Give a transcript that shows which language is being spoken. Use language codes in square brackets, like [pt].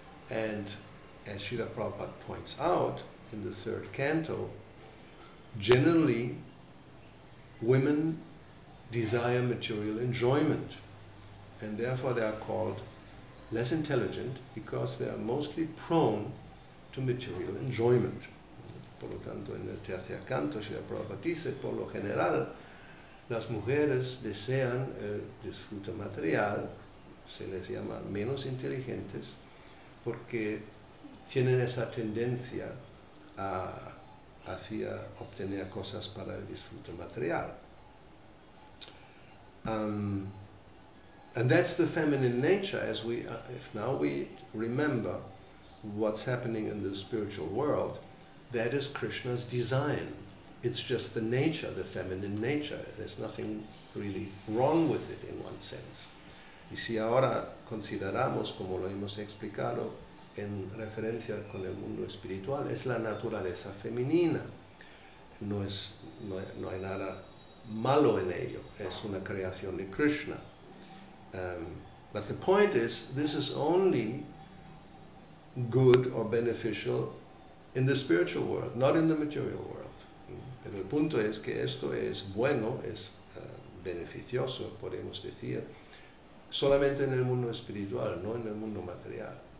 [en] And as Srila Prabhupada points out in the third canto, generally women desire material enjoyment, and therefore they are called less intelligent because they are mostly prone to material enjoyment. [es] Por lo tanto, en el tercer canto, Srila Prabhupada dice, por lo general, las mujeres desean el disfrute material, se les llama menos inteligentes, porque tienen esa tendencia hacia obtener cosas para el disfrute material. [en] And that's the feminine nature, as we, if now we remember what's happening in the spiritual world, that is Krishna's design. It's just the nature, the feminine nature. There's nothing really wrong with it in one sense. [es] Y si ahora consideramos, como lo hemos explicado, en referencia con el mundo espiritual, es la naturaleza femenina. No hay nada malo en ello. Es una creación de Krishna. [en] But the point is, this is only good or beneficial in the spiritual world, not in the material world. [es] Pero el punto es que esto es bueno, es beneficioso, podemos decir, solamente en el mundo espiritual, no en el mundo material.